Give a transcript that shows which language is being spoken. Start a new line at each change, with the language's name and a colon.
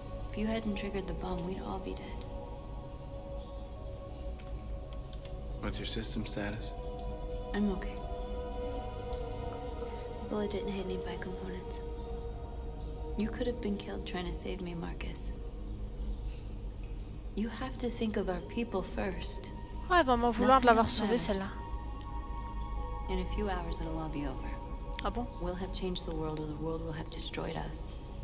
English: If you hadn't triggered the bomb, we'd all be dead. What's your system status? I'm okay. The bullet didn't hit any bike components. You could have been killed trying to save me, Marcus. You have to think of our people first.
French: Ouais, elle va m'en vouloir de l'avoir sauvée, celle-là.
English: In a few hours, it'll all be over.
French: Ah bon?
English: We'll have changed the world, or the world will have destroyed us.